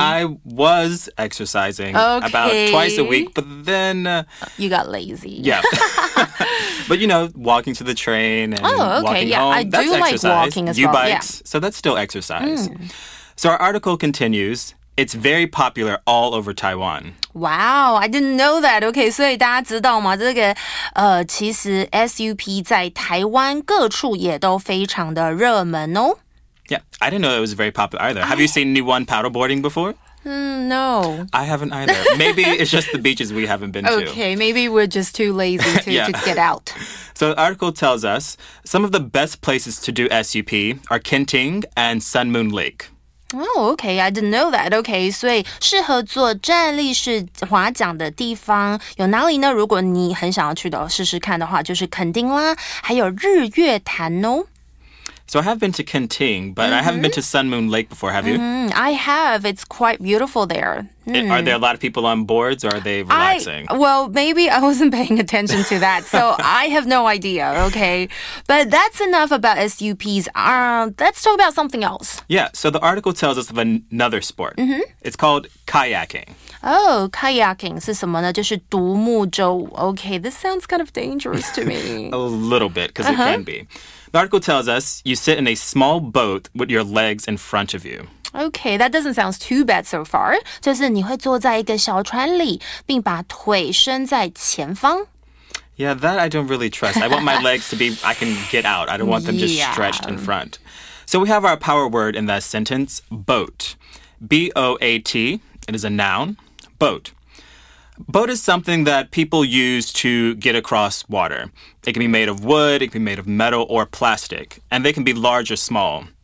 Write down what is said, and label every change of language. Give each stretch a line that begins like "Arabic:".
English: I was exercising about twice a week, but then... You got lazy. Yeah. But, you know, walking to the train and walking home, that's exercise. I do like walking as well. U-bikes, so that's still exercise. Mm. So our article continues, it's very popular all over Taiwan. Wow, I didn't know that. Okay, 所以大家知道吗？
Chinese: 这个其实 SUP 在台湾各处也都非常的热门哦。
English: Yeah, I didn't know it was very popular either. Have you seen anyone paddleboarding before? No. I haven't either. Maybe it's just the beaches we haven't been to. Okay, maybe we're just too lazy to get out. So the article tells us, some of the best places to do SUP are Kenting and Sun Moon Lake. Oh, okay, I didn't know that.
Chinese: Okay, 所以适合做站立式划桨的地方有哪里呢？如果你很想要去的试试看的话，就是垦丁啦，还有日月潭哦。
English: So I have been to Kenting, but I haven't been to Sun Moon Lake before, have you? I have. It's quite beautiful there. Are there a lot of people on boards, or are they relaxing? Well, maybe I wasn't paying attention to that, so I have no idea, okay? But that's enough about SUPs. Let's talk about something else. Yeah, so the article tells us of another sport. It's called kayaking.
Chinese: Oh, kayaking 是什么呢？就是独木舟。
English: Okay, this sounds kind of dangerous to me. A little bit, because it can be. The article tells us you sit in a small boat with your legs in front of you. Okay, that doesn't sound too bad so far.
Chinese: 就是你会坐在一个小船里，并把腿伸在前方。
English: Yeah, that I don't really trust. I want my legs to be, I can get out. I don't want them just stretched in front. So we have our power word in that sentence, boat. B-O-A-T. It is a noun, boat. Boat is something that people use to get across water. It can be made of wood, it can be made of metal or plastic, and they can be large or small.